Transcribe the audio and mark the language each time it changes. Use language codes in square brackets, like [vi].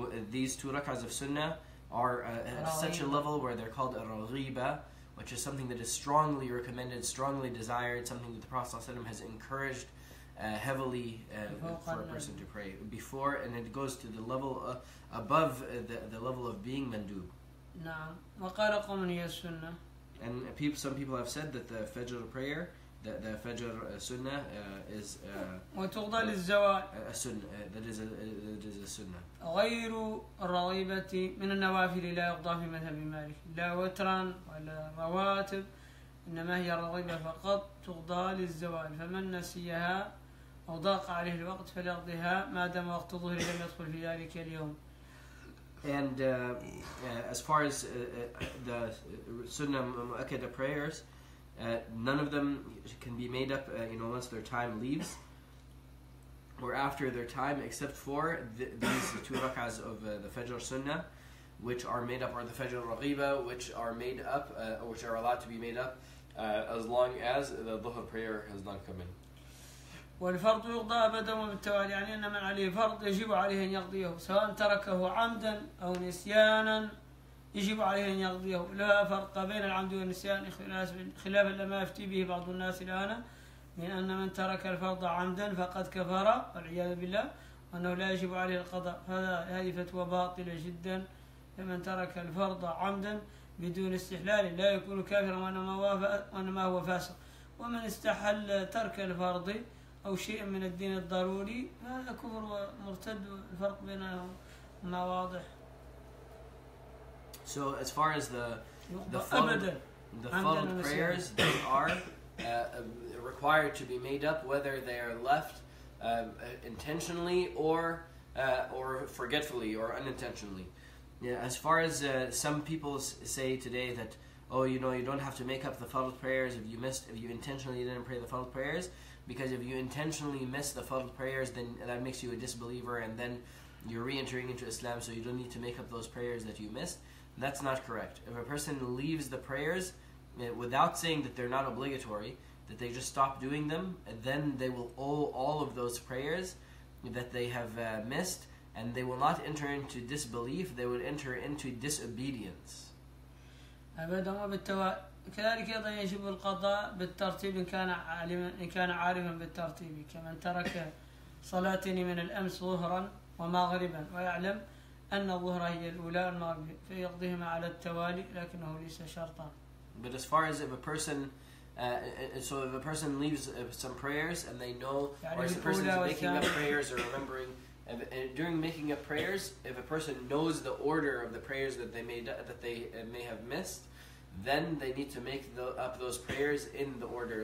[en] These two rak'ahs of sunnah are at such a level where they're called al-raghiba, which is something that is strongly recommended, strongly desired, something that the Prophet ﷺ has encouraged heavily for a person to pray before, and it goes to the level above the level of being mandub. [ar] نعم وقال قوم هي السنة. [en] And people, some people have said that the fajr prayer, that the fajr sunnah is [ar] وتغضى للزوال. [en] A sunnah that is a sunnah. [ar] غير الرغيبة من النوافل لا يقضى في مذهب مالك لا وترا ولا رواتب. إنما هي الرغيبة فقط تغضى للزوال فمن نسيها أو ضاق عليه الوقت فليقضيها ما دام وقت الظهر لم يدخل في ذلك اليوم. [en] And as far as the sunnah mu'akkada prayers, none of them can be made up once their time leaves or after their time, except for these two rak'ahs of the fajr sunnah, which are made up, or the fajr raghiba, which are made up, which are allowed to be made up. As long as the dhuhr prayer has not come in. [ar] والفرض يقضى أبدا وبالتوالي يعني أن من عليه فرض يجب عليه أن يقضيه سواء تركه عمدا أو نسيانا يجب عليه أن يقضيه لا فرق بين العمد والنسيان خلافا لما يفتي به بعض الناس الآن من أن من ترك الفرض عمدا فقد كفر والعياذ بالله وأنه لا يجب عليه القضاء هذه فتوى باطلة جدا فمن ترك الفرض عمدا بدون استحلال لا يكون كافرا وانما هو فاسق ومن استحل ترك الفرض او شيئا من الدين الضروري هذا كفر ومرتد الفرق بينهما واضح. [en] So as far as the fard prayers they are required to be made up whether they are left intentionally or forgetfully or unintentionally. Yeah, as far as some people say today that, you don't have to make up the fard prayers if you intentionally didn't pray the fard prayers, because if you intentionally miss the fard prayers, then that makes you a disbeliever, and then you're re-entering into Islam, so you don't need to make up those prayers that you missed. That's not correct. If a person leaves the prayers without saying that they're not obligatory, that they just stop doing them, then they will owe all of those prayers that they have missed, and they will not enter into disbelief, they would enter into disobedience. [ar] أبدا وبالتوالي كذلك أيضا يجب القضاء بالترتيب إن كان عارفا بالترتيب كمن ترك صلاتين من الأمس ظهرا ومغربا ويعلم أن الظهر هي الأولى والمغرب فيقضيهما على التوالي لكنه ليس شرطا. [en] But as far as if a person if a person leaves some prayers and they know, or if a person is making up prayers or remembering and during making up prayers, if a person knows the order of the prayers that they may have missed, then they need to make up those prayers in the order.